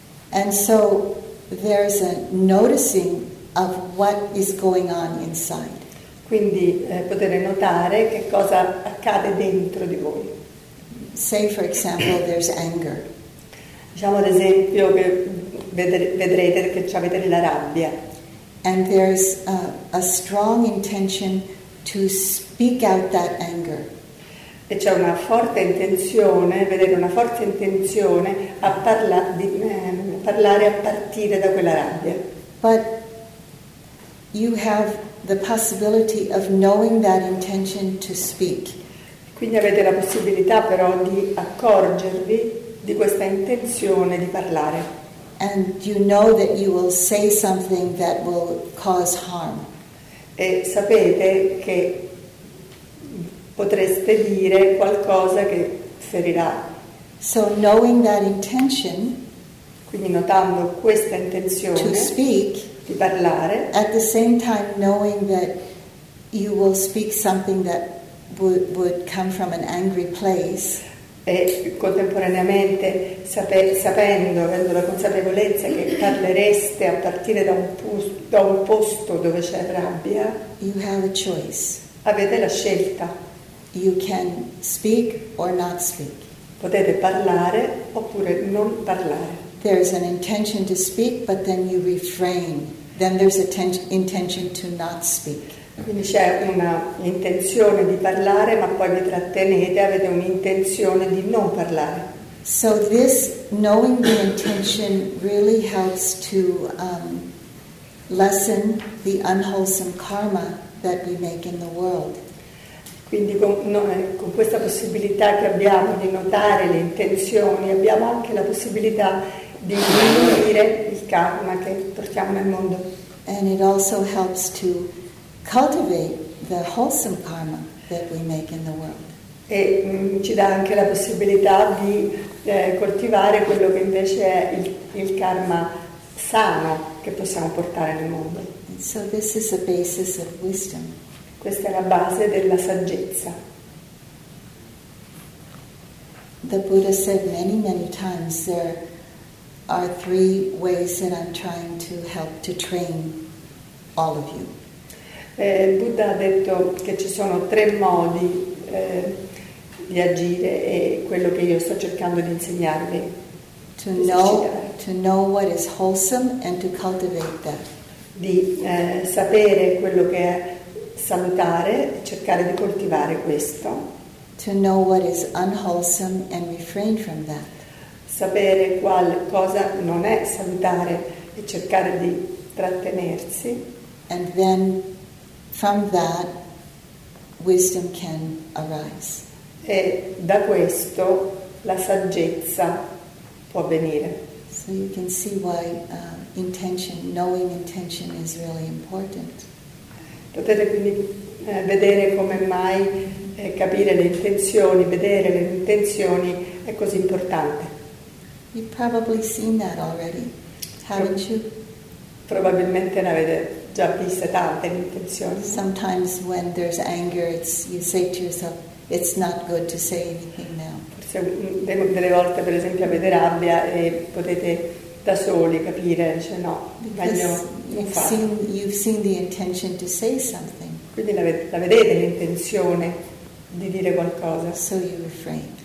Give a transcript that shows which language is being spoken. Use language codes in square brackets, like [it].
[en] And so there's a noticing of what is going on inside. [it] Quindi potete notare che cosa accade dentro di voi. [en] Say for example there's anger. [it] Diciamo ad esempio che vedrete che c'avete della rabbia. [en] And there's a strong intention to speak out that anger. [it] E c'è una forte intenzione, vedete, una forte intenzione a parlare a partire da quella rabbia. [en] But you have the possibility of knowing that intention to speak. [it] Quindi avete la possibilità però di accorgervi di questa intenzione di parlare. [en] And you know that you will say something that will cause harm. [it] E sapete che potreste dire qualcosa che ferirà. [en] So knowing that intention, [it] quindi notando questa intenzione [en] to speak, [it] di parlare, [en] at the same time knowing that you will speak something that would come from an angry place, [it] e contemporaneamente avendo la consapevolezza che parlereste a partire da un posto dove c'è rabbia, [en] you have a choice. [it] Avete la scelta. [en] You can speak or not speak. [it] Potete parlare oppure non parlare. [en] There is an intention to speak, but then you refrain. Then there's a intention to not speak. [it] Quindi c'è una intenzione di parlare, ma poi vi trattenete, avete un'intenzione di non parlare. [en] So this knowing the intention really helps to lessen the unwholesome karma that we make in the world. [it] Quindi con questa possibilità che abbiamo di notare le intenzioni, abbiamo anche la possibilità di diminuire il karma che portiamo nel mondo. [en] And it also helps to cultivate the wholesome karma that we make in the world. [it] E ci dà anche la possibilità di coltivare quello che invece è il karma sano che possiamo portare nel mondo. [en] And so this is a basis of wisdom. [it] Questa è la base della saggezza. [en] The Buddha said many, many times there are three ways that I'm trying to help to train all of you. [it] Buddha ha detto che ci sono tre modi di agire e quello che io sto cercando di insegnarvi. [en] To know what is wholesome and to cultivate that. [it] di sapere quello che è salutare, cercare di coltivare questo. [en] To know what is unwholesome and refrain from that. [it] Sapere qual cosa non è salutare e cercare di trattenersi. [en] And then from that wisdom can arise. [it] E da questo la saggezza può venire. [en] So you can see why intention, knowing intention is really important. [it] Potete quindi vedere come mai capire le intenzioni, vedere le intenzioni è così importante. [en] You've probably seen that already, haven't you? [it] Probabilmente ne avete già viste tante le intenzioni. [en] Sometimes when there's anger, you say to yourself, it's not good to say anything now. [it] Forse delle volte, per esempio, avete rabbia e potete da soli capire, cioè no, meglio non farlo. [en] You've seen the intention to say something. [it] Quindi la vedete l'intenzione di dire qualcosa. [en] So you refrain.